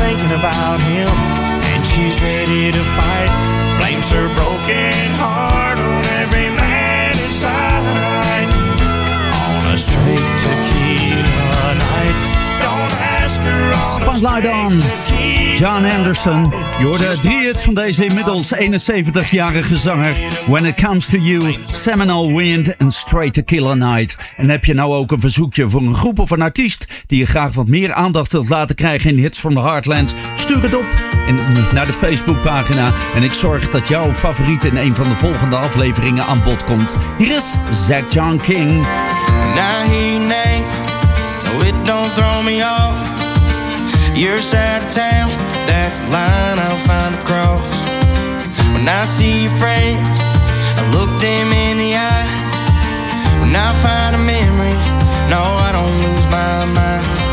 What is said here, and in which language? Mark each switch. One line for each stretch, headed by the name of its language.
English: about him, and she's ready to fight. Blames her broken heart on every man inside. On a straight tequila night. Don't ask her on Spotlight a on.
Dutch: John Anderson, je hoorde de hits van deze inmiddels 71-jarige zanger. When It Comes To You, Seminole Wind en Straight Tequila Night. En heb je nou ook een verzoekje voor een groep of een artiest die je graag wat meer aandacht wilt laten krijgen in Hits from the Heartland? Stuur het op naar de Facebookpagina en ik zorg dat jouw favoriet in een van de volgende afleveringen aan bod komt. Hier is Zach John King.
English: Now he name, no, it don't throw me off. You're sad of town, that's a line I'll find across. When I see your friends, I look them in the eye. When I find a memory, no, I don't lose my mind.